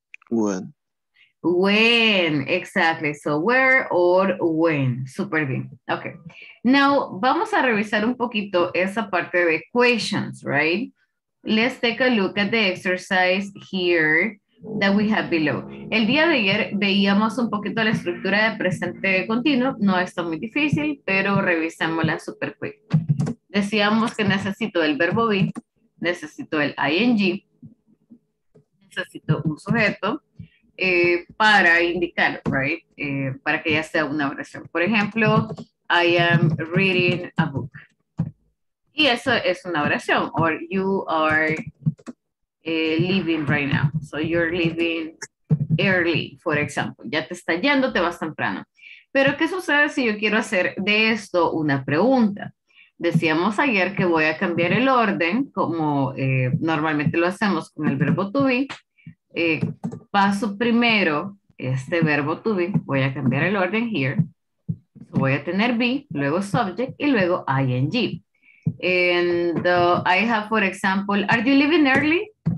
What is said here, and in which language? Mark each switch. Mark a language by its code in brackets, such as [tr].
[en] When. When, exactly. So where or when. [es] Super bien. [en] Okay. Now, [es] vamos a revisar un poquito esa parte de [en] questions, right? Let's take a look at the exercise here that we have below. [es] El día de ayer veíamos un poquito la estructura de presente continuo. No está muy difícil, pero revisémosla [en] super quick. [es] Decíamos que necesito el verbo be, necesito el ing, necesito un sujeto. Para indicar, [en] right? [es] Para que ya sea una oración. Por ejemplo, [en] I am reading a book. [es] Y eso es una oración. [en] Or you are leaving right now. So you're leaving early, for example. [es] Ya te está yendo, te vas temprano. Pero, ¿qué sucede si yo quiero hacer de esto una pregunta? Decíamos ayer que voy a cambiar el orden, como normalmente lo hacemos con el verbo to be. Paso primero este verbo to be, voy a cambiar el orden [en] here, [es] voy a tener be, luego subject y luego ing. [en] And I have, for example, are you leaving early?